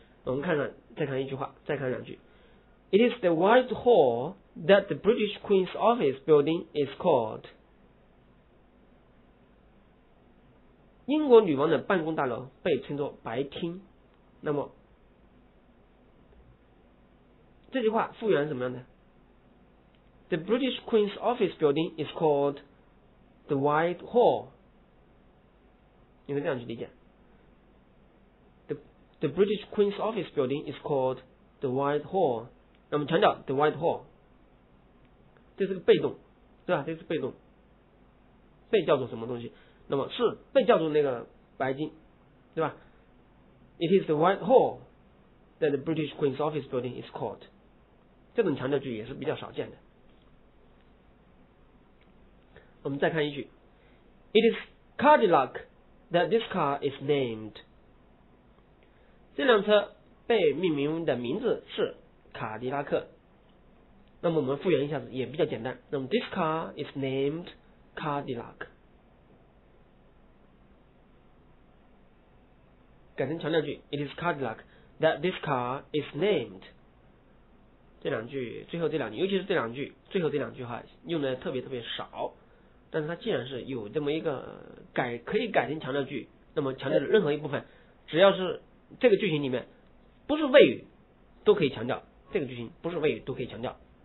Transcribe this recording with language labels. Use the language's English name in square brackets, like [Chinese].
[Chinese] 我们看看，再看一句话，再看两句。 [English] It is the White Hall that the British Queen's office building is called. [Chinese] 英国女王的办公大楼被称作白厅。那么这句话复原是怎么样的？ [English] The British Queen's office building is called the White Hall. [Chinese] 你们这样去理解。 [English] The British Queen's office building is called the White Hall. [Chinese] 那我们强调 [English] the White Hall. [Chinese] 这是个被动，对吧？这是被动。被叫做什么东西？那么是被叫做那个白金，对吧？ [English] It is the White Hall that the British Queen's office building is called. [Chinese] 这种强调句也是比较少见的。我们再看一句。 [English] It is Cadillac that this car is named. [Chinese] 这辆车被命名的名字是卡迪拉克。那么我们复原一下子也比较简单。 [English] 那么 This car is named Cadillac. [Chinese] 改成强调句 [English] It is Cadillac that this car is named. [Chinese] 这两句，最后这两句，尤其是这两句，最后这两句话用的特别特别少。但是它既然是有这么一个改，可以改成强调句，那么强调的任何一部分，只要是这个句型里面不是谓语都可以强调，这个句型不是谓语都可以强调。